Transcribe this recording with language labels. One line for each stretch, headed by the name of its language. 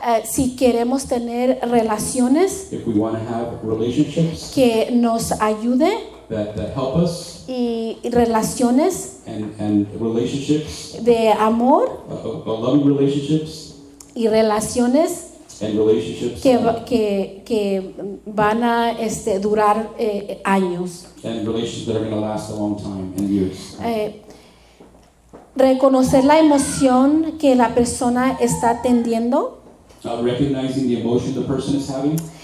Spanish: Si queremos tener relaciones.
English: If we want to have relationships.
Spanish: Que nos ayude.
English: That help us.
Spanish: Y relaciones.
English: And relationships.
Spanish: De amor.
English: Loving relationships.
Spanish: Y relaciones.
English: And relationships
Spanish: que van a durar años.
English: And relationships that are going to last a long time and years.
Spanish: Reconocer la emoción que la persona está teniendo.
English: Recognizing the emotion the person is having.